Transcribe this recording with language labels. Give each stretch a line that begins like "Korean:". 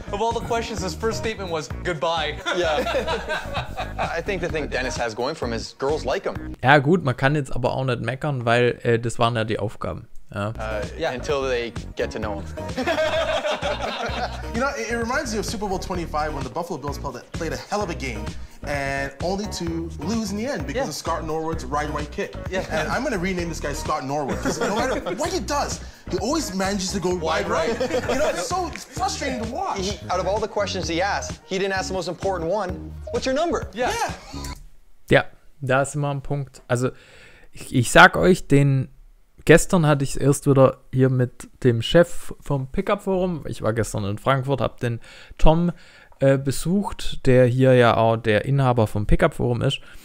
English: Of all the questions, his first statement was goodbye. Yeah. I think the thing Dennis has going for him is girls like him.
German: Ja gut, man kann jetzt aber auch nicht meckern, weil das waren ja die Aufgaben. Ja.
English: Yeah. Until they get to know him. You know, it reminds me of Super Bowl 25 when the Buffalo Bills played a hell of a game. And only to lose in the end because of Scott Norwood's ride right kick. Yeah. And I'm gonna rename this guy Scott Norwood. Because no matter what he does, he always manages to go wide right. You know, it's so frustrating to watch. He, out of all the questions he asked, he didn't ask the most important one. What's your number? Yeah.
German: Ja, da ist immer ein Punkt. Also ich sag euch, den gestern hatte ich es erst wieder hier mit dem Chef vom Pickup Forum. Ich war gestern in Frankfurt, hab den Tom besucht, der hier ja auch der Inhaber vom Pickup-Forum ist.